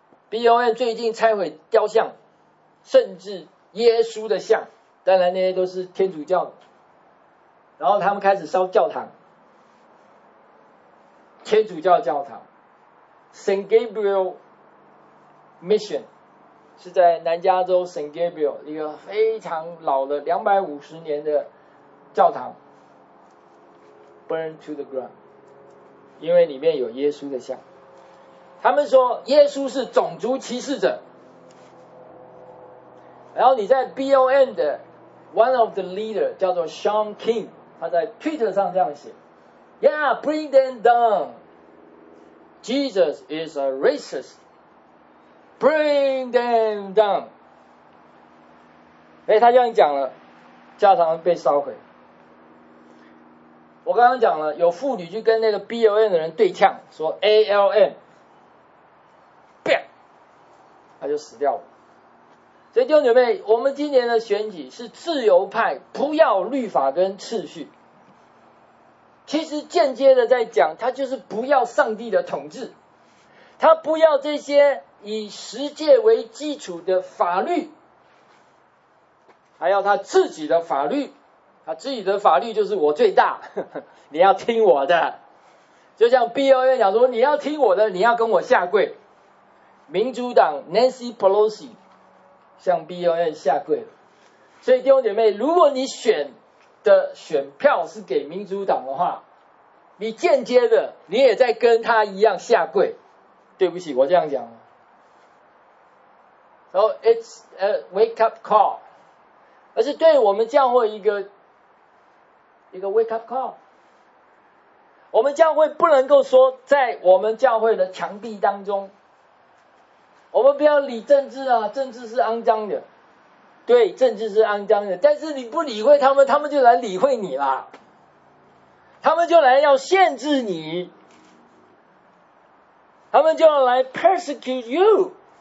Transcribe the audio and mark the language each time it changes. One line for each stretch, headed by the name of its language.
Chinese: BLM 最近拆毁雕像，甚至耶稣的像，当然那些都是天主教，然后他们开始烧教堂，天主教教堂 St. Gabriel Mission是在南加州 St. Gabriel 一个非常老的250年的教堂
English: burn to the ground，
Chinese: 因为里面有耶稣的像。他们说耶稣是种族歧视者，然后你在 BLM 的
English: one of the leader
Chinese: 叫做 Sean King， 他在 Twitter 上这样写，
English: Yeah bring them down，
Chinese: Jesus is a racistBring them down。欸，他这样讲了，教堂被烧毁。我刚刚讲了，有妇女去跟那个 BLM 的人对呛，说 ALM， 他就死掉了。所以弟兄姐妹，我们今年的选举是自由派不要律法跟秩序，其实间接的在讲他就是不要上帝的统治，他不要这些以十诫为基础的法律，还要他自己的法律，他自己的法律就是我最大，呵呵，你要听我的。就像 BLM 讲说你要听我的，你要跟我下跪，民主党 Nancy Pelosi 向 BLM 下跪了。所以弟兄姐妹，如果你选的选票是给民主党的话，你间接的你也在跟他一样下跪。对不起，我这样讲。
English: So it's a wake up call，
Chinese: 而是对我们教会一个
English: wake up call。
Chinese: 我们教会不能够说在我们教会的墙壁当中，我们不要理政治啊，政治是肮脏的，对，政治是肮脏的，但是你不理会他们，他们就来理会你啦，他们就来要限制你，他们就要来
English: persecute you。